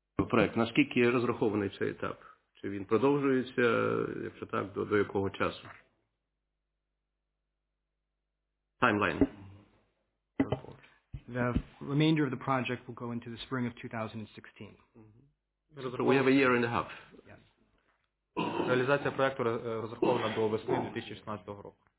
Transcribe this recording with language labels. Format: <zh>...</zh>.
<uk>Проєкт, наскільки розрахований цей етап? Чи він продовжується, якщо так, до якого часу?</uk> <en>Timeline. The remainder of the project will go into the spring of 2016. So we have a year and a half. Yes.</en> <uk>Реалізація проекту розрахована до весни 2016 року.</uk>